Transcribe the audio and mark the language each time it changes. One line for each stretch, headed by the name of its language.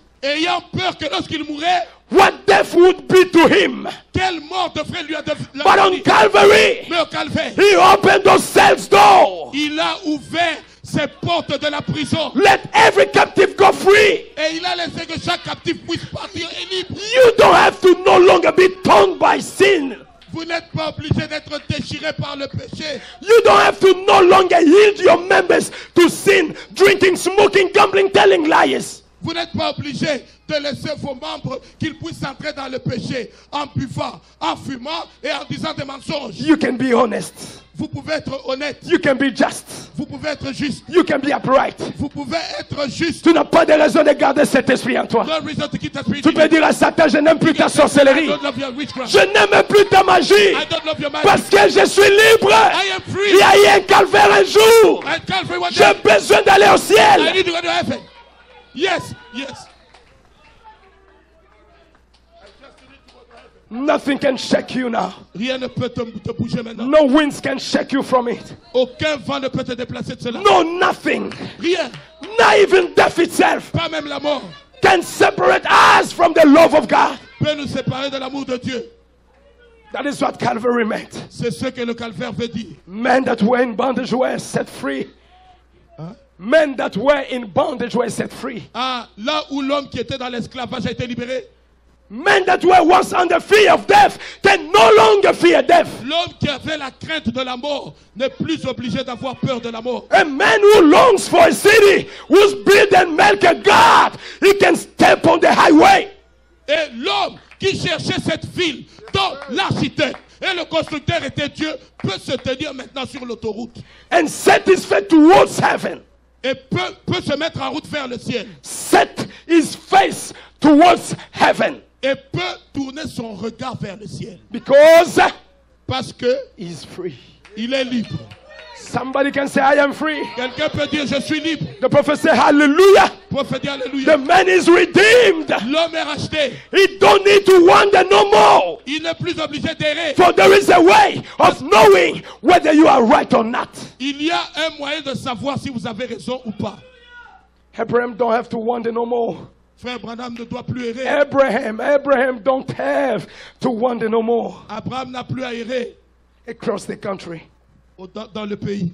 French: Ayant peur que lorsqu'il mourait.
English: What death would be to him?
French: Quelle mort devrait lui avoir?
English: But on Calvary.
French: Mais au Calvaire.
English: He opened those cells door.
French: Il a ouvert ces portes de la prison.
English: Let every captive go free.
French: Et il a laissé que chaque captif puisse partir et libre.
English: You don't have to no longer be torn by sin.
French: Vous n'êtes pas obligé d'être déchiré par le péché.
English: You don't have to no longer yield your members to sin, drinking, smoking, gambling, telling lies.
French: Vous n'êtes pas obligé de laisser vos membres qu'ils puissent entrer dans le péché en buvant, en fumant et en disant des mensonges.
English: You can be honest.
French: Vous pouvez être honnête.
English: You can be just.
French: Vous pouvez être juste.
English: You can be upright.
French: Vous pouvez être juste. Tu n'as pas de raison de garder cet esprit en toi.
English: No reason to keep that spirit.
French: Tu peux dire à Satan, je n'aime plus ta sorcellerie.
English: I don't love your witchcraft.
French: Je n'aime plus ta magie.
English: I don't love your magic.
French: Parce que je suis libre.
English: I am free.
French: Il y a eu un calvaire un jour. J'ai besoin d'aller au ciel.
English: I need to go to heaven. Yes, yes. Nothing can shake you now.
French: Rien ne peut te bouger maintenant.
English: No winds can shake you from it.
French: Aucun vent ne peut te déplacer de cela.
English: No nothing.
French: Rien.
English: Not even death itself.
French: Pas même la mort.
English: Can separate us from the love of God.
French: Peut nous séparer de l'amour de Dieu.
English: That is what Calvary meant.
French: C'est ce que le calvaire veut dire.
English: Men that were in bondage were set free. Men that were in bondage were set free.
French: Ah, là où l'homme qui était dans l'esclavage a été libéré.
English: Men that were once under fear of death can no longer fear death.
French: L'homme qui avait la crainte de la mort n'est plus obligé d'avoir peur de la mort.
English: A man who longs for a city whose bread and milk is God, he can step on the highway.
French: Et l'homme qui cherchait cette ville dont l'architecte et le constructeur était Dieu peut se tenir maintenant sur l'autoroute.
English: And satisfied towards heaven.
French: Et peut se mettre en route vers le ciel.
English: Set his face towards heaven.
French: Et peut tourner son regard vers le ciel.
English: Because
French: parce que
English: he's free.
French: Il est libre.
English: Somebody can say I am free.
French: Quelqu'un peut dire je suis libre.
English: The prophet say hallelujah.
French: Le prophète dit hallelujah.
English: The man is redeemed.
French: L'homme est racheté.
English: He don't need to wander no more.
French: Il n'est plus obligé d'errer.
English: For there is a way of knowing whether you are right or not.
French: Il y a un moyen de savoir si vous avez raison ou pas.
English: Abraham don't have to wander no more.
French: Frère Branham ne doit plus errer.
English: Abraham don't have to wander no more.
French: Abraham n'a plus à errer.
English: Across the country.
French: Dans le pays.